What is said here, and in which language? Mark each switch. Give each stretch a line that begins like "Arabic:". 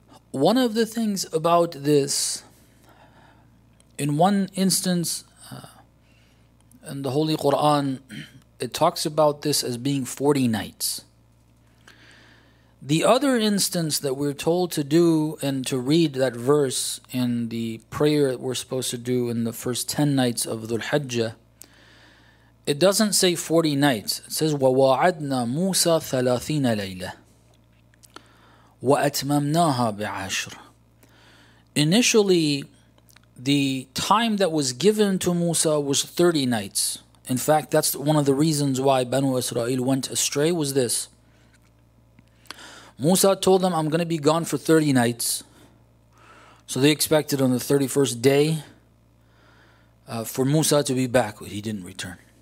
English: One of the things about this, in one instance in the Holy Quran, it talks about this as being 40 nights. The other instance that we're told to do and to read that verse in the prayer that we're supposed to do in the first 10 nights of Dhul-Hajjah, it doesn't say 40 nights. It says,
Arabic: وَوَعَدْنَا مُوسَى ثَلَاثِينَ لَيْلَةً وَأَتْمَمْنَاهَا بِعَشْرٍ.
English: Initially, the time that was given to Musa was 30 nights. In fact, that's one of the reasons why Banu Israel went astray was this. Musa told them, I'm going to be gone for 30 nights. So they expected on the 31st day for Musa to be back, but he didn't return.